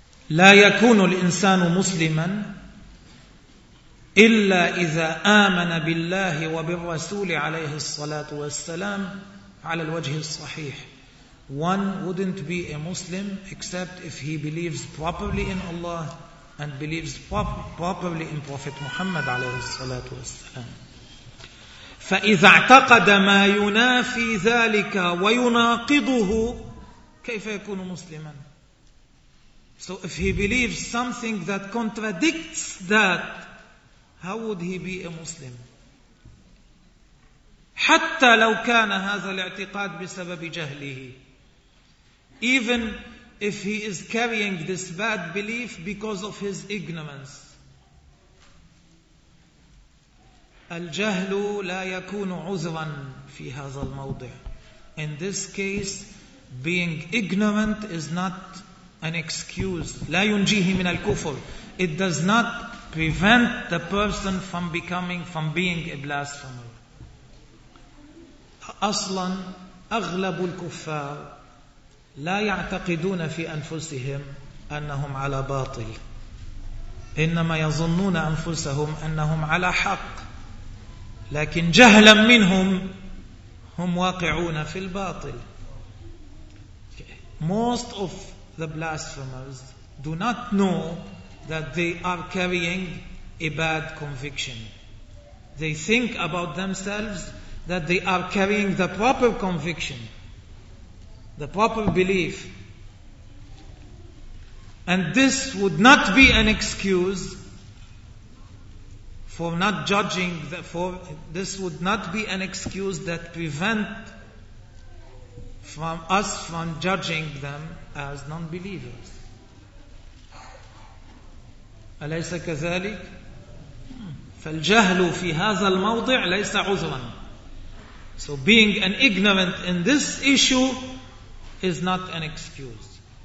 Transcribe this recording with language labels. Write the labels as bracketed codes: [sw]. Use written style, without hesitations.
[ar] لا يكون الإنسان مسلما إلا إذا آمن بالله وبالرسول عليه الصلاة والسلام على الوجه الصحيح. [en] One wouldn't be a Muslim except if he believes properly in Allah and believes properly in Prophet Muhammad عليه الصلاة والسلام. [ar] فإذا اعتقد ما ينافي ذلك ويناقضه كيف يكون مسلما. [en] So if he believes something that contradicts that, how would he be a Muslim? [ar] حتى لو كان هذا الاعتقاد بسبب جهله. [en] Even if he is carrying this bad belief because of his ignorance. [ar] الجهل لا يكون عذرا في هذا الموضع. [en] In this case, being ignorant is not an excuse. [ar] لا ينجيه من الكفر. [en] It does not prevent the person from being a blasphemer. [ar] أصلا أغلب الكفار لا يعتقدون في أنفسهم أنهم على باطل. إنما يظنون أنفسهم أنهم على حق. لكن جهلا منهم هم واقعون في الباطل. [en] Most of the blasphemers do not know that they are carrying a bad conviction. They think about themselves that they are carrying the proper conviction, the proper belief. And this would not be an excuse for not judging, this would not be an excuse that prevent from us from judging them as non-believers. [ar] أليس كذلك؟ فالجهل في هذا الموضع ليس عذرا. So being an ignorant in this issue is not an excuse.